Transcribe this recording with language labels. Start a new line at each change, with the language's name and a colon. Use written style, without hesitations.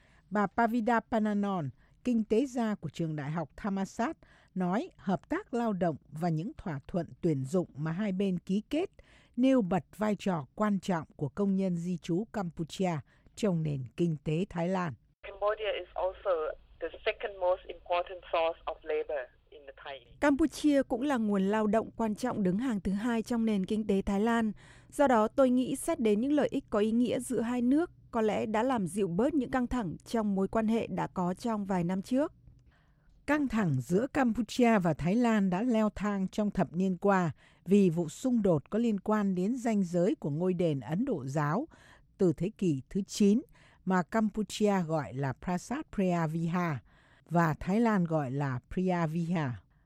Vietnamese: Bà Pavida Pananon, kinh tế gia của trường đại học Thammasat, nói hợp tác lao động và những thỏa thuận tuyển dụng mà hai bên ký kết nêu bật vai trò quan trọng của công nhân di trú Campuchia trong nền kinh tế Thái Lan.
English: Cambodia is also the second most important source of labor.
Vietnamese: Campuchia cũng là nguồn lao động quan trọng đứng hàng thứ hai trong nền kinh tế Thái Lan. Do đó, tôi nghĩ xét đến những lợi ích có ý nghĩa giữa hai nước, có lẽ đã làm dịu bớt những căng thẳng trong mối quan hệ đã có trong vài năm trước. Căng thẳng giữa Campuchia và Thái Lan đã leo thang trong thập niên qua vì vụ xung đột có liên quan đến ranh giới của ngôi đền Ấn Độ giáo từ thế kỷ thứ 9 mà Campuchia gọi là Prasat Prea Viha và Thái Lan gọi là Priya Viha.